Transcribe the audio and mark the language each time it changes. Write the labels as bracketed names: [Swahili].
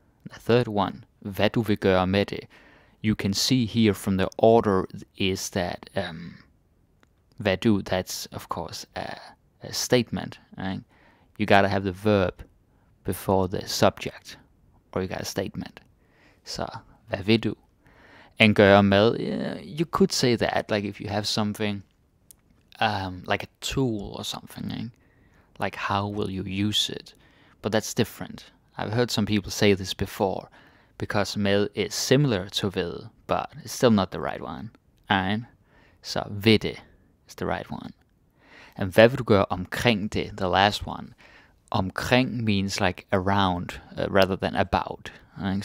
[English] The third one, [Danish] hvad du vil gøre med det. [English] You can see here from the order is that [Danish] hvad du, [English] that's of course a statement. Right? You gotta have the verb before the subject, or you got a statement. So [Danish] hvad vil du? [English] And [Danish] gøre med, [English] yeah, you could say that, like if you have something, like a tool or something, eh? Like how will you use it? But that's different. I've heard some people say this before, because med is similar to ved, but it's still not the right one. Alright? So vidde is the right one. And [Danish] hvad vil du gøre omkring det, [English] the last one? Omkring means like around, rather than about. Right?